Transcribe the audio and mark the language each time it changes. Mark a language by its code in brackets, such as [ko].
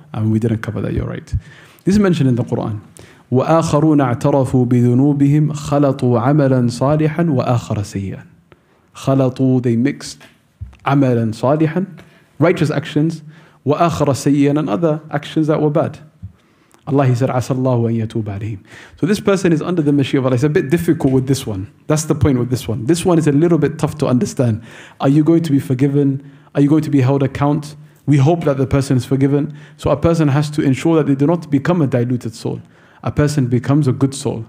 [en] And we didn't cover that, you're right. This is mentioned in the Quran. [ar] وَآخَرُونَ اَعْتَرَفُوا بِذُنُوبِهِمْ خَلَطُوا عَمَلًا صَالِحًا وَآخَرَ سَيِّئًا. خَلَطُوا, [en] they mixed [ar] عَمَلًا صَالِحًا, [en] righteous actions, [ar] وَآخَرَ سَيِّئًا, [en] and other actions that were bad. Allah, He said, [ar] عَسَى اللَّهُ أَنْ يَتُوبَ عَلَيْهِمْ. [en] So this person is under the mashiach of Allah. It's a bit difficult with this one. That's the point with this one. This one is a little bit tough to understand. Are you going to be forgiven? Are you going to be held account? We hope that the person is forgiven. So a person has to ensure that they do not become a diluted soul. A person becomes a good soul.